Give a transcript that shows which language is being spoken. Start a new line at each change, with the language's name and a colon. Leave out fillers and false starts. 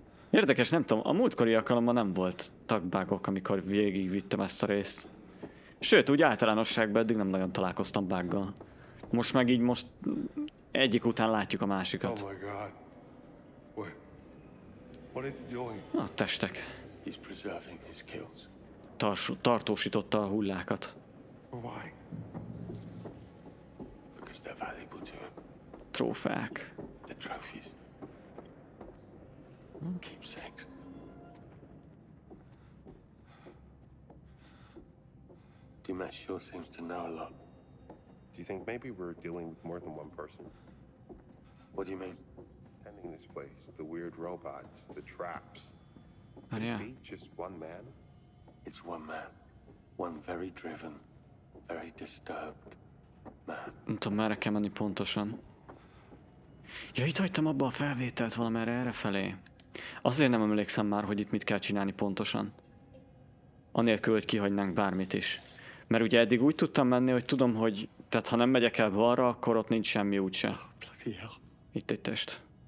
Hungarian: Érdekes, nem tudom, a múltkori alkalommal nem volt tagbágok, amikor végigvittem ezt a részt. Sőt, úgy általánosságban eddig nem nagyon találkoztam bággal. Most meg így most... egyik után látjuk a másikat.
English: Oh my God. What? What is he doing?
Hungarian: A testek.
English: He's preserving his kills.
Hungarian: Tartósította a hullákat.
English: Why? Because they're valuable to him.
Hungarian: Trófeák.
English: The trophies. Keepsakes. Dimash sure seems to know a lot. Do you think maybe we're dealing with more than one person? What do you mean? Tending this place, the weird robots, the traps. Oh, yeah. Be just one man? It's one man. One very driven, very disturbed man.
Hungarian: Nem tudom, merre kell menni pontosan. Ja, itt hagytam abba a felvételt valamerre errefelé. Azért nem emlékszem már, hogy itt mit kell csinálni pontosan. Anélkül, hogy kihagynánk bármit is. Mert ugye eddig úgy tudtam menni, hogy tudom, hogy... tehát ha nem megyek el balra, akkor ott nincs semmi úgyse. Itt egy test.